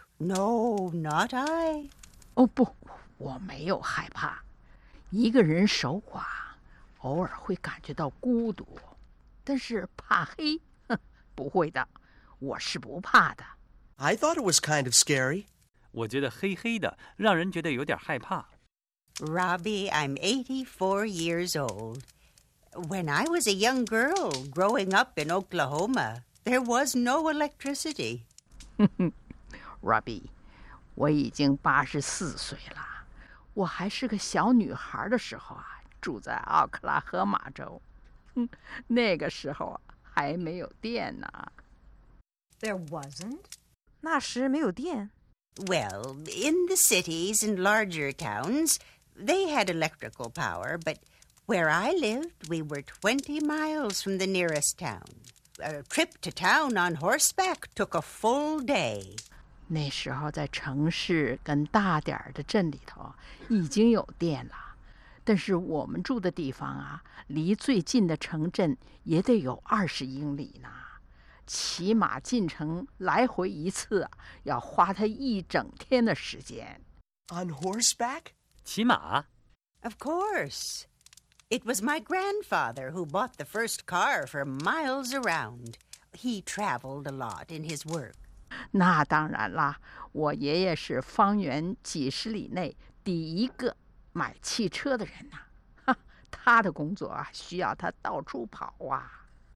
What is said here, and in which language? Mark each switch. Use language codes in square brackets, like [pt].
[en] No, not I. [zh] 哦不，我没有害怕。一个人守寡，偶尔会感觉到孤独，但是怕黑，不会的，我是不怕的。 [en] I thought it was kind of scary. [zh] 我觉得黑黑的，让人觉得有点害怕。 [en] Robbie, I'm 84 years old. When I was a young girl growing up in Oklahoma, there was no electricity. [zh] Robbie, 我已经84岁了。我还是个小女孩的时候啊，住在奥克拉荷马州。那个时候还没有电呢。 [en] There wasn't? [zh] 那时没有电。 [en] Well, in the cities and larger towns, they had electrical power, but where I lived, we were 20 miles from the nearest town. A trip to town on horseback took a full day. [zh] 那时候在城市跟大点的镇里头已经有电了，但是我们住的地方啊，离最近的城镇也得有20英里呢。起码进城来回一次要花他一整天的时间。 [en] On horseback? [zh] 骑马。 [en] Of course. It was my grandfather who bought the first car for miles around. He traveled a lot in his work. [zh] 那当然啦，我爷爷是方圆几十里内第一个买汽车的人呐。他的工作啊，需要他到处跑啊。